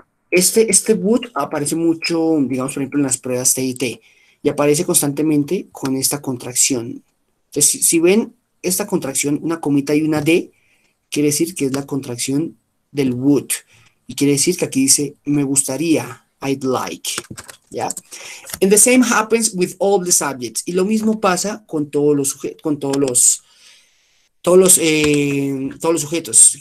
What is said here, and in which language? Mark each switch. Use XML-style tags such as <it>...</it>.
<es>Este would aparece mucho, digamos, por ejemplo, en las pruebas TIT y aparece constantemente con esta contracción. Entonces, si ven esta contracción, una comita y una D, quiere decir que es la contracción del would. Y quiere decir que aquí dice, me gustaría,</es> <en>I'd like.</en> <es>¿Ya?</es> <en>And the same happens with all the subjects.</en> <es>Y lo mismo pasa con todos los sujetos, con todos los sujetos.</es>